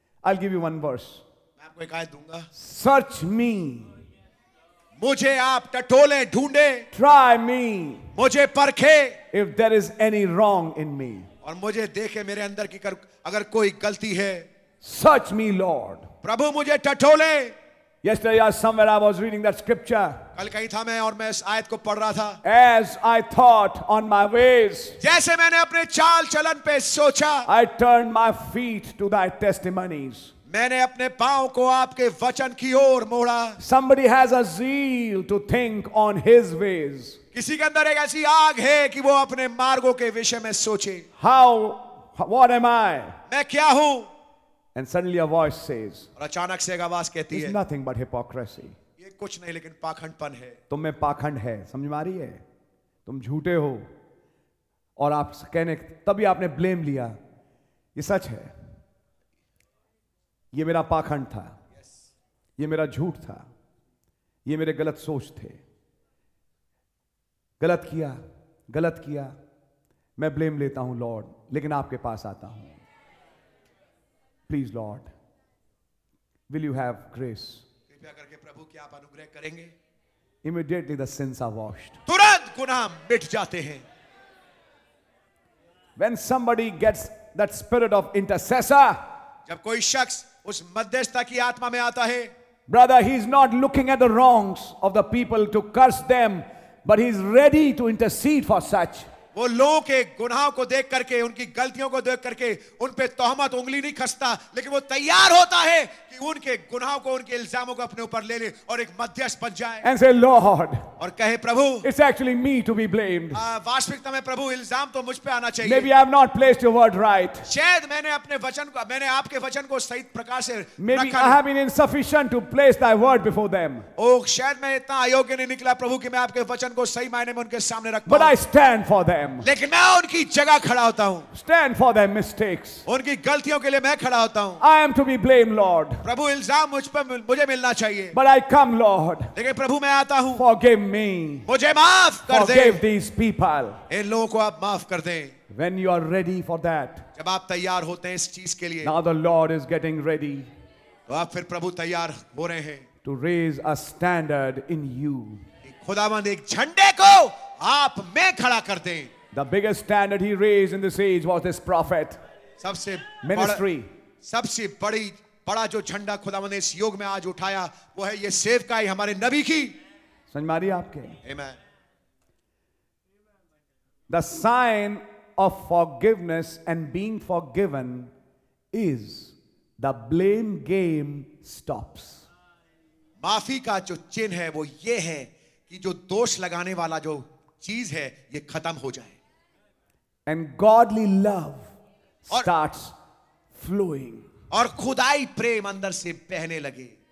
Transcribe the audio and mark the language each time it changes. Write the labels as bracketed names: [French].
[English] I give you one verse, [Hindi] मैं आपको एक आयत दूंगा, [English] search me, [Hindi] मुझे आप टटोले ढूंढे, [English] try me, [Hindi] मुझे परखे, [English] if there is any wrong in me, [Hindi] और मुझे देखे मेरे अंदर की कर, अगर कोई गलती है, [English] search me lord, [Hindi] प्रभु मुझे टटोले। [English] Yesterday or somewhere I was reading that scripture. [Hindi] कल कहीं था मैं और मैं इस आयत को पढ़ रहा था. [English] As I thought on my ways. [Hindi] जैसे मैंने अपने चाल चलन पे सोचा. [English] I turned my feet to thy testimonies. [Hindi] मैंने अपने पांव को आपके वचन की ओर मोड़ा. [English] Somebody has a zeal to think on his ways. [Hindi] किसी के अंदर एक ऐसी आग है कि वो अपने मार्गों के विषय में सोचे. [English] How? What am I? [Hindi] मैं क्या हूँ? [English] And suddenly a voice says, [Hindi] और अचानक से एक आवाज कहती है, [English] nothing but hypocrisy. [Hindi] ये कुछ नहीं लेकिन पाखंडपन है. तुम में पाखंड है, समझ में आ रही है? तुम झूठे हो और आप कहने तभी आपने ब्लेम लिया. ये सच है, ये मेरा पाखंड था, [English] yes. [Hindi] ये मेरा झूठ था, ये मेरे गलत सोच थे, गलत किया, गलत किया, मैं ब्लेम लेता हूं लॉर्ड, लेकिन आपके पास आता हूं. [English] Please, Lord, will you have grace? [Hindi] कृपया करके प्रभु की आप अनुग्रह करेंगे. [English] Immediately the sins are washed. [Hindi] तुरंत गुनाह मिट जाते हैं. [English] When somebody gets that spirit of intercessor, [Hindi] जब कोई शख्स उस मध्यस्थता की आत्मा में आता है, [English] brother, he is not looking at the wrongs of the people to curse them, but he is ready to intercede for such. [Hindi] वो लोगों के गुनाहों को देख करके, उनकी गलतियों को देख करके, उन पे तोहमत उंगली नहीं खसता, लेकिन वो तैयार होता है कि उनके गुनाहों को, उनके इल्जामों को अपने ऊपर ले ले और एक मध्यस्थ बन जाए. [English] And say, Lord, [Hindi] और कहे प्रभु, [English] it's actually me to be blamed. [Hindi] वास्तविकता में प्रभु इल्जाम तो मुझ पे आना चाहिए. [English] Maybe I have not placed your word right. [Hindi] शायद मैंने अपने वचन को, मैंने आपके वचन को सही प्रकार से रखा. [English] Maybe I have been insufficient to place thy word before them. [Hindi] शायद मैं इतना अयोग्य नहीं निकला प्रभु कि मैं आपके वचन को सही मायने में उनके सामने रख पाऊं. [English] But I stand for them. them. [Hindi] लेकिन मैं उनकी जगह खड़ा होता हूँ. [English] Stand for their mistakes. [Hindi] उनकी गलतियों के लिए मैं खड़ा होता हूँ. [English] I am to be blamed, Lord. [Hindi] प्रभु इल्जाम मुझ पर मुझे मिलना चाहिए. [English] But I come, Lord. [Hindi] लेकिन प्रभु मैं आता हूँ. [English] Forgive me. [Hindi] मुझे माफ कर दे. [English] Forgive these people. [Hindi] इन लोगों को आप माफ कर दें. [English] When you are ready for that. [Hindi] जब आप तैयार होते हैं इस चीज के लिए. [English] Now the Lord is getting ready. [Hindi] तो आप फिर प्रभु तैयार हो रहे हैं. [English] To raise a standard in you. [Hindi] खुदावंद एक झंडे को आप में खड़ा कर दें. [English] The biggest standard he raised in this age was this prophet. [Hindi] सबसे [English] ministry. [Hindi] सबसे बड़ी बड़ा जो झंडा खुदावंद ने इस युग में आज उठाया वो है ये सेवकाई हमारे नबी की. समझ मारी आपके. [English] Amen. The sign of forgiveness and being forgiven is the blame game stops. [Hindi] माफी का जो चिन्ह है वो ये है कि जो दोष लगाने वाला जो चीज है ये खत्म हो जाए. [English] And godly love starts flowing. [Hindi] और खुदाई प्रेम अंदर से बहने लगे.